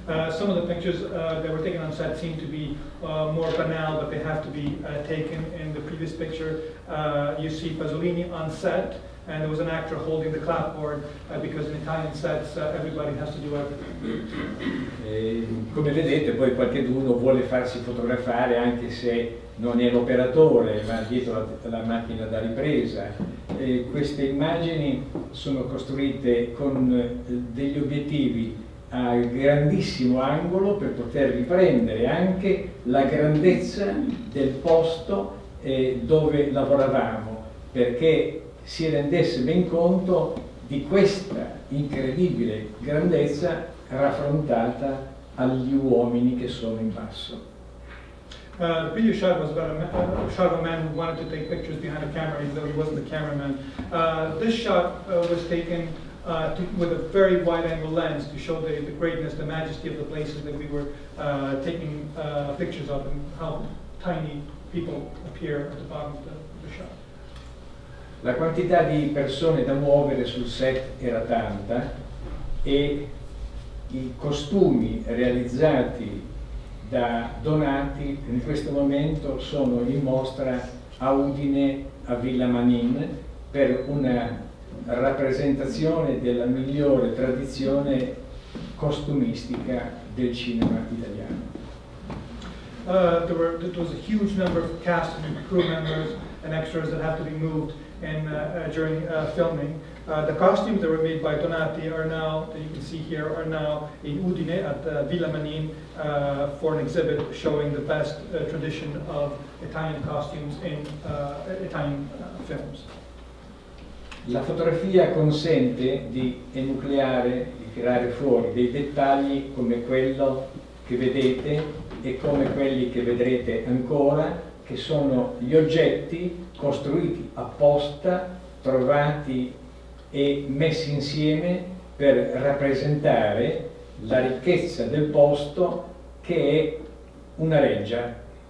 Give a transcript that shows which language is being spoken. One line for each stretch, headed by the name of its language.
English: Some of the pictures that were taken on set seem to be more banal, but they have to be taken. In the previous picture, you see Pasolini on set, and there was an actor holding the clapboard, because in Italian sets everybody has to do everything.
Italian: Come vedete, poi qualcuno vuole farsi fotografare anche se non è l'operatore, ma dietro la macchina da ripresa. Queste immagini sono costruite con degli obiettivi a grandissimo angolo per poter riprendere anche la grandezza del posto dove lavoravamo, perché si rendesse ben conto di questa incredibile grandezza raffrontata agli uomini che sono in basso.
English: The video shot was about a man who wanted to take pictures behind a camera, even though he wasn't the cameraman. This shot was taken with a very wide-angle lens to show the greatness, the majesty of the places that we were taking pictures of, and how tiny people appear at the bottom of the shot.
Italian: La quantità di persone da muovere sul set era tanta, e i costumi realizzati da Donati in questo momento sono in mostra a Udine, a Villa Manin, per una rappresentazione della migliore tradizione costumistica del cinema italiano.
English: There was a huge number of cast and crew members and extras that have to be moved in, during filming. The costumes that were made by Donati are now, that you can see here, are now in Udine at the Villa Manin for an exhibit showing the best tradition of Italian costumes in Italian films.
Italian: La fotografia consente di enucleare, di tirare fuori dei dettagli come quello che vedete e come quelli che vedrete ancora, che sono gli oggetti costruiti apposta, trovati e messi insieme per rappresentare la ricchezza del posto, che è una reggia.